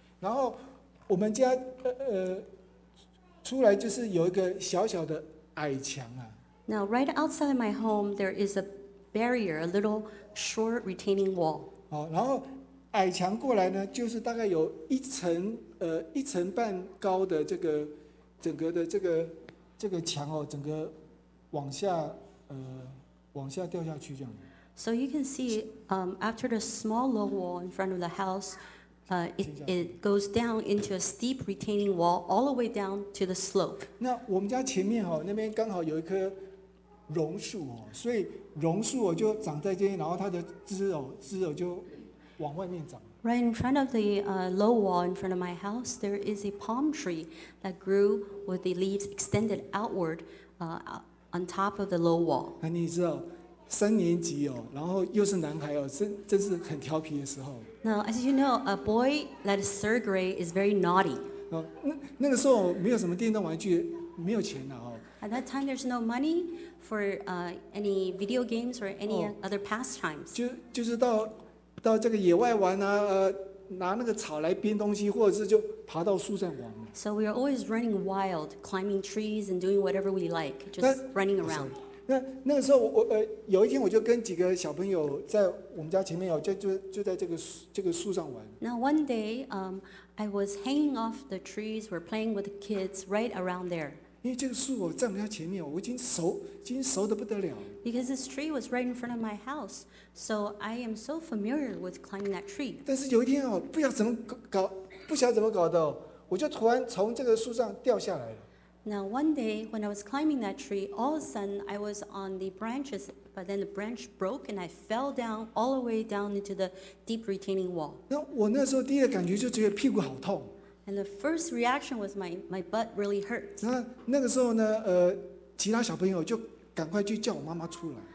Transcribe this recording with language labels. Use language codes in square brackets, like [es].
[zh] 然后我们家出来就是有一个小小的矮墙啊。 [en] Now, right outside my home, there is a barrier, a little short retaining wall. [zh] 然后矮墙过来呢，就是大概有一层半高的这个整个的这个墙哦，整个往下。往下掉下去这样。 [en] So you can see, after the small low wall in front of the house, it goes down into a steep retaining wall all the way down to the slope. [zh] 那我们家前面哈，那边刚好有一棵榕树哦，所以榕树就长在这边，然后它的枝头就往外面长。 [en] Right in front of the low wall in front of my house, there is a palm tree that grew with the leaves extended outward. On top of the low wall. [zh] 那你知道，三年级哦，然后又是男孩哦，真是很调皮的时候。 [en] Now, as you know, a boy that is third grade is very naughty. [zh] 那个时候没有什么电动玩具，没有钱了哦。 [en] At that time, there's no money for any video games or any other pastimes. [zh] 就是到这个野外玩啊，拿那个草来编东西，或者是就爬到树上玩。 [en] So we are always running wild, climbing trees and doing whatever we like, just running around. [zh] 那个时候我有一天我就跟几个小朋友在我们家前面有就在这个树上玩。 [en] Now one day, I was hanging off the trees, we're playing with the kids right around there. [zh] 因为这个树我站在他前面，我已经熟得不得了。 [en] Because this tree was right in front of my house, so I am so familiar with climbing that tree. [zh] 但是有一天哦，不晓得怎么搞的。我就突然从这个树上掉下来了。 [en] Now one day when I was climbing that tree, all of a sudden I was on the branches, but then the branch broke and I fell down all the way down into the deep retaining wall. [zh] 那我那时候第一个感觉就觉得屁股好痛。 [en] And the first reaction was my butt really hurt. [zh] 那个时候呢，其他小朋友就赶快去叫我妈妈出来。